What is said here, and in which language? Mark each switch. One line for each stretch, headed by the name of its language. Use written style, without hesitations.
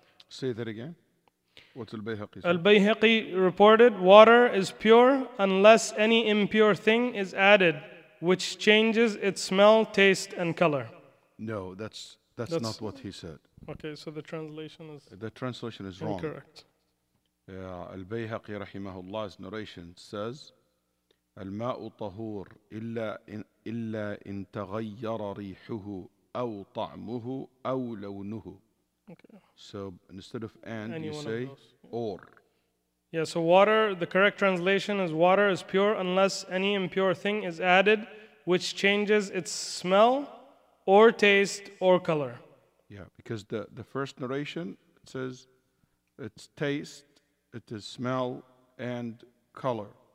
English: Say that again. What's Al-Bayhaqi say? Al-Bayhaqi reported, water is pure unless any impure thing is added which changes its smell, taste, and color. No, that's not what he said. Okay, so the translation is incorrect. The translation is wrong. Incorrect. Yeah, Al-Bayhaqi rahimahullah's narration says,
Arabic: الماء طهور إلا إن تغير ريحه أو طعمه أو لونه.
English: Okay. So instead of and, any you say or. Yeah, so water, the correct translation is water is pure unless any impure thing is added which changes its smell or taste or color. Yeah, because the first narration says it's taste, it is smell and color.